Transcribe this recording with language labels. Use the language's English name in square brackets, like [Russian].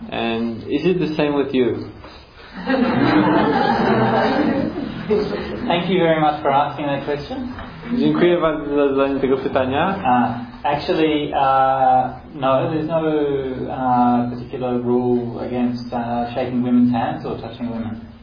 [English] And is it the same with you? Thank you very much for asking that question. [Polish] Dziękuję bardzo za zadanie tego pytania. [English] Actually, no, there's no particular rule against shaking women's hands or touching women.